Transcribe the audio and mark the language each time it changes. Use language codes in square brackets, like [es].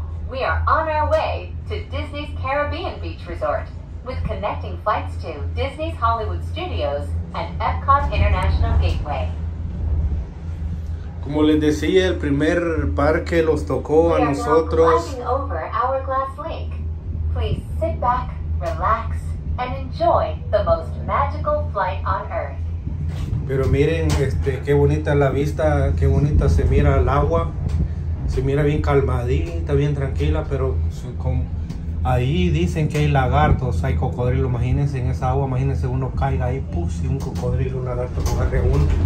[en] We are on our way to Disney's Caribbean Beach Resort with connecting flights to Disney's Hollywood Studios and Epcot International Gateway. [es] Como les decía, el primer parque los tocó a nosotros. [en] We are now climbing over Hourglass Lake. Please sit back, relax, and enjoy the most magical flight on Earth. [es] Pero miren, qué bonita la vista, qué bonita se mira el agua. Se mira bien calmadita, bien tranquila, pero ahí dicen que hay lagartos, hay cocodrilos. Imagínense en esa agua, imagínense uno caiga ahí, ¡pum! Y un cocodrilo, un lagarto, agarre uno.